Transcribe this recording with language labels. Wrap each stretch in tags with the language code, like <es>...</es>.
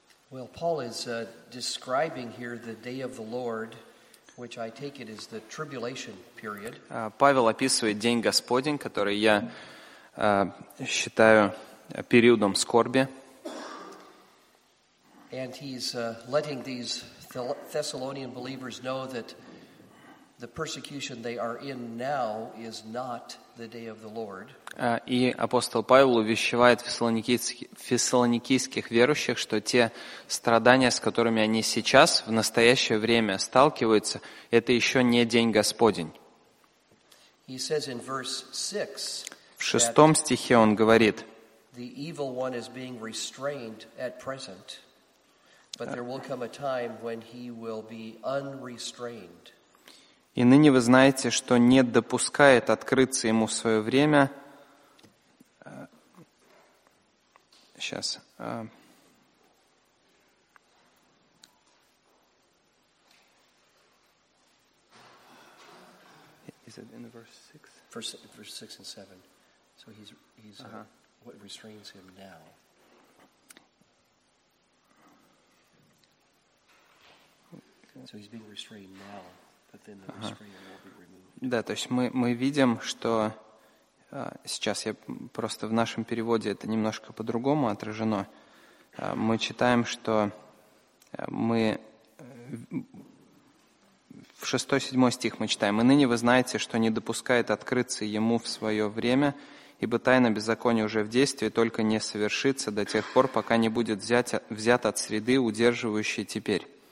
<en>Well, Paul is describing here the day of the Lord, which I take it is the tribulation period.</en> <ru>Павел описывает день Господень, который я считаю периодом скорби.</ru> <en>And he's letting these Thessalonian believers know that the persecution they are in now is not the day of the Lord.</en> <ru>И апостол Павел увещевает фессалоникийских верующих, что те страдания, с которыми они сейчас в настоящее время сталкиваются, это еще не день Господень. В шестом стихе он говорит, и ныне вы знаете, что не допускает открыться ему в свое время. Сейчас.</ru> <en>Is it in verse 6? Verse 6 and 7. So he's what restrains him now. So he's being restrained now, but then the restraint will be removed.</en> <ru>Да, то есть мы видим, что сейчас я просто в нашем переводе это немножко по-другому отражено. Мы читаем, что мы в 6-7 стих мы читаем: «И ныне вы знаете, что не допускает открыться ему в свое время, ибо тайна беззакония уже в действии, только не совершится до тех пор, пока не будет взят от среды, удерживающей теперь».</ru>